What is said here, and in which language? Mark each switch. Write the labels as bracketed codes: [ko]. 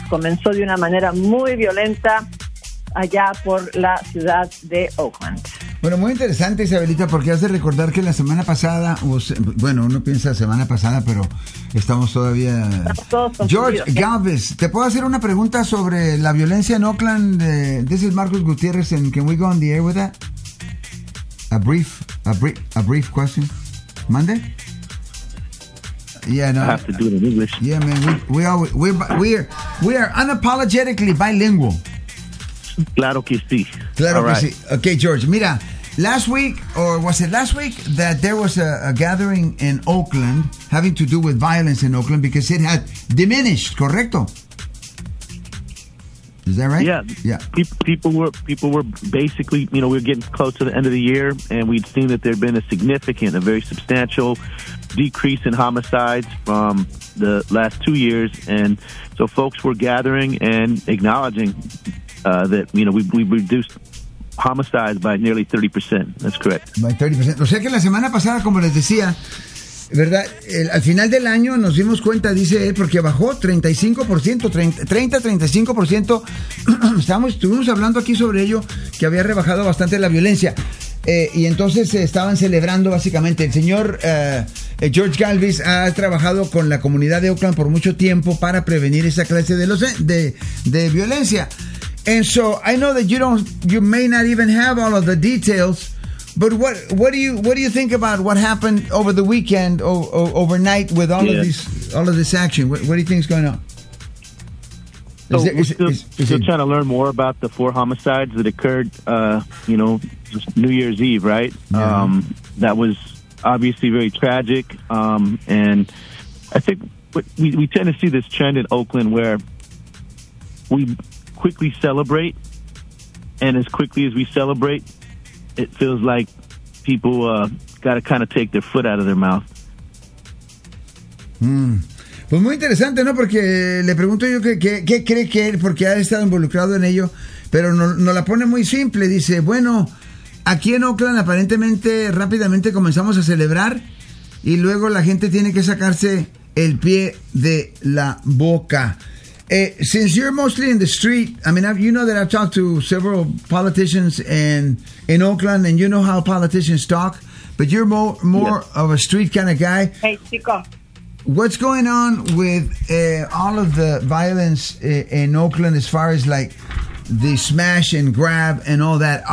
[es] Comenzó de una manera muy violenta allá por la ciudad de Oakland. Bueno, muy interesante, Isabelita, porque has de recordar que la semana pasada, bueno, uno piensa semana pasada, pero estamos todavía... George Galvez, ¿te puedo hacer una pregunta sobre la violencia en Oakland? [en] This is Marcos Gutiérrez, and can we go on the air with that? A brief question. Monday? Yeah, no. I have to do it in English. Yeah, man. We are unapologetically bilingual. [es] Claro que sí. Claro que sí. Okay, George. Mira, [en] last week, or was it last week, that there was a gathering in Oakland having to do with violence in Oakland because it had diminished, [es] correcto? [en] Is that right? Yeah. People were basically, you know, we were getting close to the end of the year, and we'd seen that there'd been a very substantial decrease in homicides from the last 2 years, and so folks were gathering and acknowledging that, you know, we reduced homicides by nearly 30%. That's correct. By 30%. [es] O sea que la semana pasada, como les decía, ¿verdad? Al final del año nos dimos cuenta, dice él, porque bajó 35%, 30-35%. Estuvimos hablando aquí sobre ello, que había rebajado bastante la violencia. Y entonces estaban celebrando, básicamente. El señor George Galvis ha trabajado con la comunidad de Oakland por mucho tiempo para prevenir esa clase de violencia. [en] And so, I know that you may not even have all of the details. But what do you think about what happened over the weekend or overnight with all of this action? What do you think is going on? We're still trying to learn more about the four homicides that occurred, just New Year's Eve, right? Yeah. That was obviously very tragic, and I think we tend to see this trend in Oakland where we quickly celebrate, and as quickly as we celebrate, it feels like people got to kind of take their foot out of their mouth. [es] Pues muy interesante, ¿no? Porque le pregunto yo qué cree que él, porque ha estado involucrado en ello, pero no la pone muy simple. Dice, bueno, aquí en Oakland aparentemente rápidamente comenzamos a celebrar y luego la gente tiene que sacarse el pie de la boca. [en] Since you're mostly in the street, I mean, you know that I've talked to several politicians in Oakland, and you know how politicians talk, but you're more yes. of a street kind of guy. Hey, chico. What's going on with all of the violence in Oakland as far as, like, the smash and grab and all that?